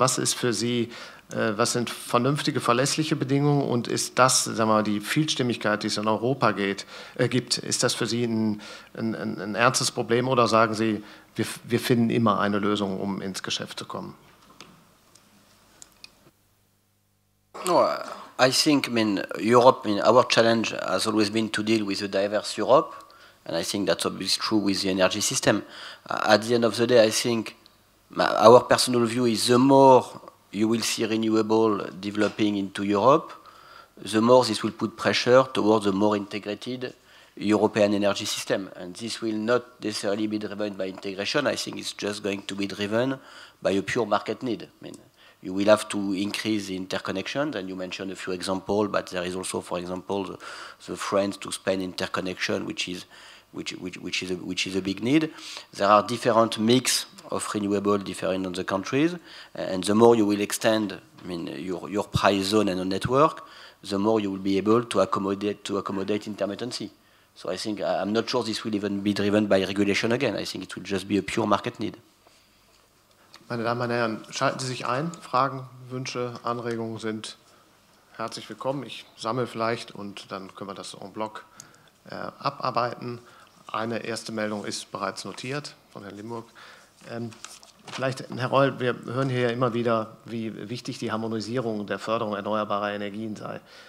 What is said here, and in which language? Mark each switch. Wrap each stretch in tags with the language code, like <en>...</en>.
<de>Was ist für Sie, was sind vernünftige, verlässliche Bedingungen? Und ist das, sagen wir mal, die Vielstimmigkeit, die es in Europa gibt, ist das für Sie ein ernstes Problem? Oder sagen Sie, wir finden immer eine Lösung, um ins Geschäft zu kommen?</de> <en>No, I think, I mean, Europe, I mean, our challenge has always been to deal with a diverse Europe. And I think that's obviously true with the energy system. At the end of the day, I think our personal view is the more you will see renewable developing into Europe, the more this will put pressure towards a more integrated European energy system. And this will not necessarily be driven by integration. I think it's just going to be driven by a pure market need. I mean, you will have to increase the interconnections, and you mentioned a few examples, but there is also, for example, the France to Spain interconnection, which is a big need. There are different mix of renewable differing on the countries, and the more you will extend, I mean, your price zone and a network, the more you will be able to accommodate intermittency. So I think I'm not sure this will even be driven by regulation again. I think it will just be a pure market need.</en> <de>Meine Damen und Herren, schalten Sie sich ein. Fragen, Wünsche, Anregungen sind herzlich willkommen. Ich sammle vielleicht und dann können wir das en bloc abarbeiten. Eine erste Meldung ist bereits notiert von Herrn Limburg. Vielleicht, Herr Reul, wir hören hier ja immer wieder, wie wichtig die Harmonisierung der Förderung erneuerbarer Energien sei.</de>